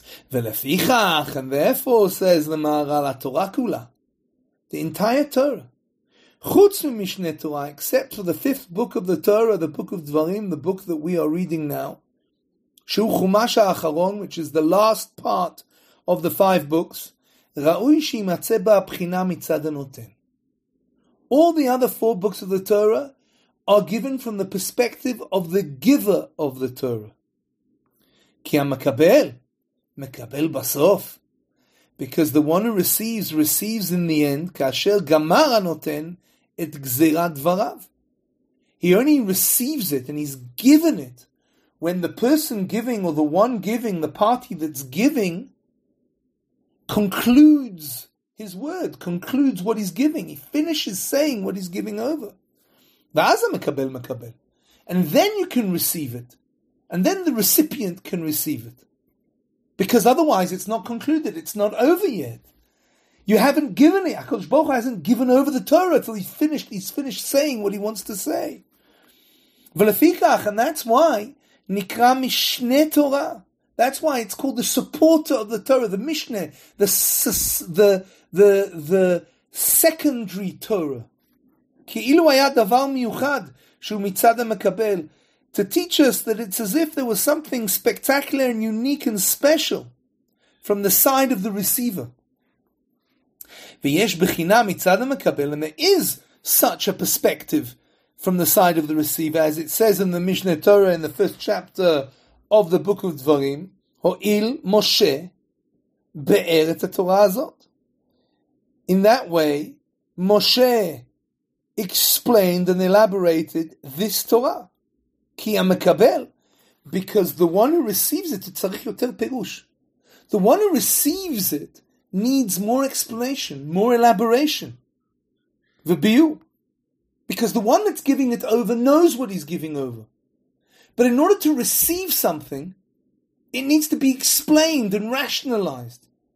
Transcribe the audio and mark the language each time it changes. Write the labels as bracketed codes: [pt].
[he] ולפיכך, [en] and therefore, says the Maharal, [he] התורה כולה, [en] the entire Torah, [he] חוץ ממשנה תורה, [en] except for the fifth book of the Torah, the book of Dvarim, the book that we are reading now, [he] שהוא חומש האחרון, [en] which is the last part of the five books, [he] ראוי שימצא בה הבחינה מצד הנותן. [en] All the other four books of the Torah are given from the perspective of the giver of the Torah. [he] כי המקבל, מקבל בסוף. [en] Because the one who receives, receives in the end, [he] כאשר גמר הנותן את גזירת דבריו. [en] He only receives it and he's given it when the person giving or the one giving, the party that's giving, concludes his word, concludes what he's giving. He finishes saying what he's giving over. [he] ואז המקבל מקבל. [en] And then you can receive it. And then the recipient can receive it. Because otherwise it's not concluded, it's not over yet. You haven't given it. HaKadosh Baruch Hu hasn't given over the Torah until he's finished saying what he wants to say. [he] ולפיכך, [en] and that's why [he] נקרא משנה תורה. [en] That's why it's called the supporter of the Torah, the Mishneh, the secondary Torah. [he] כאילו היה דבר מיוחד שהוא מצד המקבל. [en] To teach us that it's as if there was something spectacular and unique and special from the side of the receiver. [he] ויש בחינה מצד המקבל, [en] and there is such a perspective from the side of the receiver, as it says in the Mishneh Torah in the first chapter of the book of Dvarim, [he] הועיל משה באר את התורה הזאת. [en] In that way, Moshe explained and elaborated this Torah. [he] כי המקבל, [en] because the one who receives it, [he] צריך יותר פירוש. [en] The one who receives it needs more explanation, more elaboration. וביו, because the one that's giving it over knows what he's giving over. But in order to receive something, it needs to be explained and rationalized.